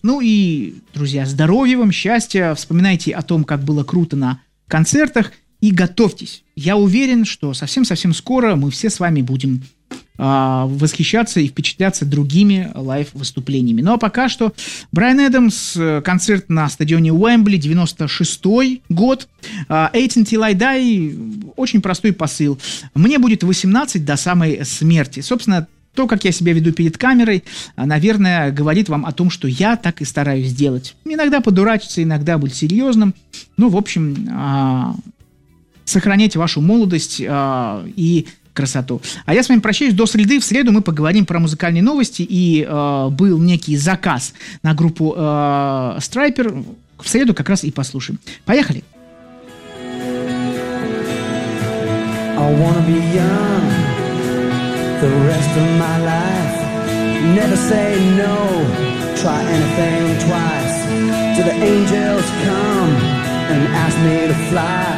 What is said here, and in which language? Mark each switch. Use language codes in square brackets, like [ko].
[ru] Ну и, друзья, здоровья вам, счастья. Вспоминайте о том, как было круто на концертах, и готовьтесь. Я уверен, что совсем-совсем скоро мы все с вами будем восхищаться и впечатляться другими лайв-выступлениями. Ну а пока что Брайан Адамс, концерт на стадионе Уэмбли, 96-й год. [en] «Eighteen till I die» [ru] — очень простой посыл. Мне будет 18 до самой смерти. Собственно, то, как я себя веду перед камерой, наверное, говорит вам о том, что я так и стараюсь делать. Иногда подурачиться, иногда быть серьезным. Ну, в общем, сохранять вашу молодость и красоту. А я с вами прощаюсь до среды. В среду мы поговорим про музыкальные новости, и был некий заказ на группу Striper. В среду как раз и послушаем. Поехали! [en] I wanna be young the rest of my life. Never say no, try anything twice. Till the angels come and ask me to fly.